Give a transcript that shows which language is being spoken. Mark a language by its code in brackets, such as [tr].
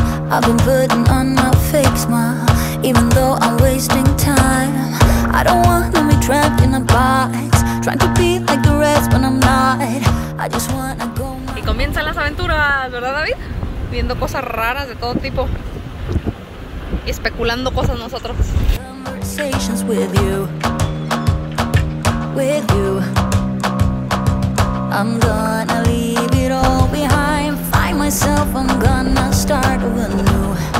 [en] I've been putting on my fake smile, even though I'm wasting time. I don't wanna be trapped in a box, trying to be like the rest, but I'm not. I just wanna go. [es] Y comienzan las aventuras, ¿verdad, David? Viendo cosas raras de todo tipo y especulando cosas nosotros. [en] Conversations with you, with you. I'm gonna leave it all behind. Find myself, I'm gonna start anew.